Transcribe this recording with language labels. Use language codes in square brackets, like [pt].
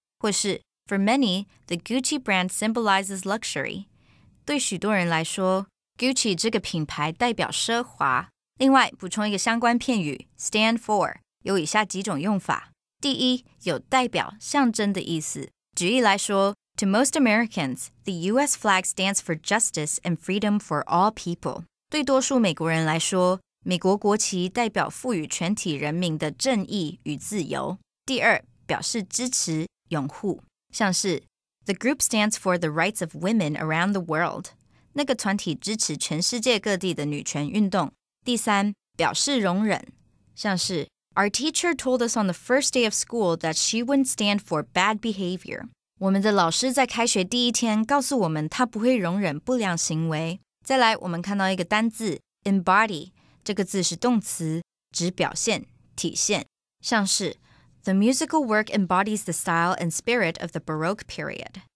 [zh] 或是 [en] For many, the Gucci brand symbolizes luxury. [zh] 对许多人来说 Gucci 这个品牌代表奢华。另外补充一个相关片语 stand for, 有以下几种用法。第一，有代表、象征的意思。举例来说 [en] To most Americans, the US flag stands for justice and freedom for all people. [zh] 对多数美国人来说，美国国旗代表赋予全体人民的正义与自由。第二，表示支持、拥护。像是 [en] The group stands for the rights of women around the world. [zh] 那个团体支持全世界各地的女权运动。第三，表示容忍。像是 [en] Our teacher told us on the first day of school that she wouldn't stand for bad behavior. [zh] 我们的老师在开学第一天告诉我们她不会容忍不良行为。再来，我们看到一个单字 embody, 这个字是动词，指表现、体现。像是 [en] The musical work embodies the style and spirit of the Baroque period.